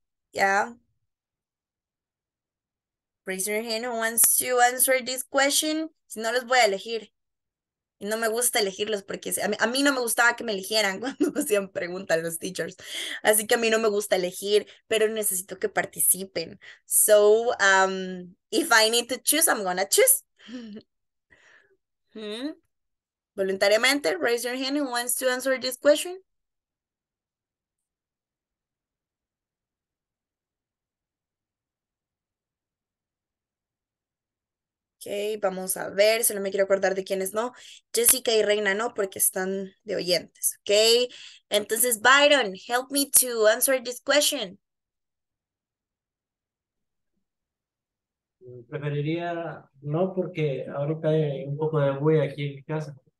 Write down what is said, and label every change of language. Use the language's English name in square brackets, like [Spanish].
[English] Yeah. Raise your hand who wants to answer this question. [Spanish] Si no, los voy a elegir. Y no me gusta elegirlos porque a mí no me gustaba que me eligieran cuando hacían preguntas los teachers. Así que a mí no me gusta elegir, pero necesito que participen. [English] So, if I need to choose, I'm gonna choose. Voluntariamente, raise your hand who wants to answer this question. [Spanish] Ok, vamos a ver, solo me quiero acordar de quiénes no. Jessica y Reina no, porque están de oyentes, ok. Entonces, Byron, [English] help me to answer this question. [Spanish] Preferiría no, porque ahora cae un poco de bulla aquí en mi casa.